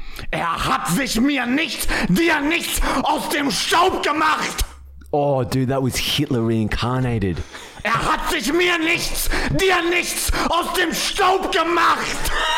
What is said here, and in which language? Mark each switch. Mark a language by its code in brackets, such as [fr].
[de] Er hat sich mir nichts, dir nichts aus dem Staub gemacht. [en] Oh, dude, that was Hitler reincarnated. [de] Er hat sich mir nichts, dir nichts aus dem Staub gemacht.